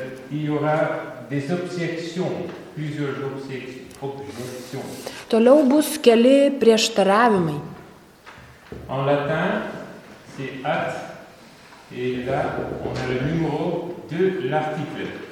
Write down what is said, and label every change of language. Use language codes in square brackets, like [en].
[fr] Il y aura des objections, plusieurs objections. [lt] Toliau bus keli prieštaravimai. [fr] En latin, c'est at, et là, on a le numéro de l'article.